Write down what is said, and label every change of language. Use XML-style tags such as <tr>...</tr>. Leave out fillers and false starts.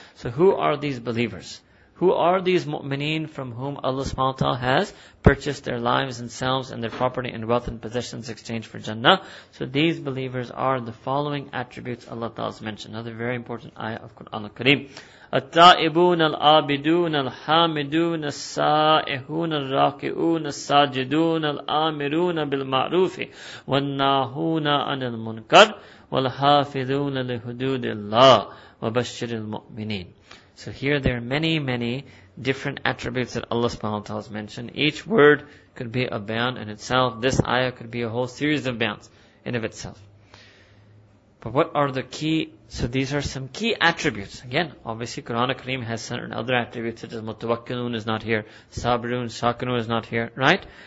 <en>So who are these believers? Who are these mu'mineen from whom Allah Subhanahu Wa Ta'ala has purchased their lives and selves and their property and wealth and possessions exchanged for Jannah? So these believers are the following attributes Allah Ta'ala has mentioned. Another very important ayah of Quran al-Kareem.</en> <ar>التائبون العابدون الحامدون السائحون الراكعون الساجدون الآمرون بالمعروف والناهون عن المنكر والحافظون لحدود الله وبشر المؤمنين.</ar> <en>So here there are many, many different attributes that Allah subhanahu wa ta'ala has mentioned. Each word could be a bayan in itself. This ayah could be a whole series of bayans in of itself. But what are the key? So these are some key attributes. Again, obviously Quran al-Kareem has certain other attributes, such as Mutawakkilun is not here, Sabrun, Shakunun is not here, right?</en>